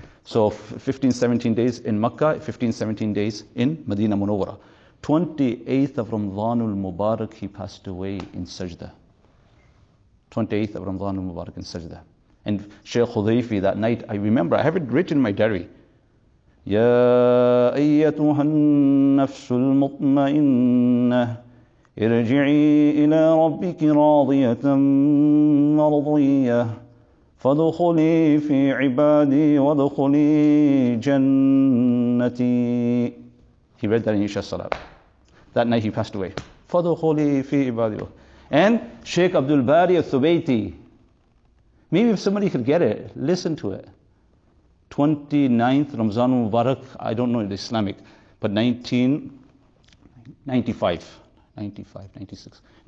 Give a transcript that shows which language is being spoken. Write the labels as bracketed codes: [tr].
[en] So 15-17 days in Makkah, 15-17 days in Medina Munawwara. 28th of Ramadan al-Mubarak, he passed away in Sajda. 28th of Ramadan al-Mubarak in Sajda. And Shaykh Hudhayfi that night, I remember, I have it written in my diary. [ar] يا أيتها النفس المطمئنة ارجعي إلى ربك راضية مرضية فادخلي في عبادي وادخلي جنتي. [en] He read that in Isha Salah. That night he passed away. [ar] فادخلي في عبادي. [en] And Sheikh Abdul Bari al-Thubaiti. Maybe if somebody could get it, listen to it. 29th Ramzan Mubarak, I don't know in Islamic, but 95, 96.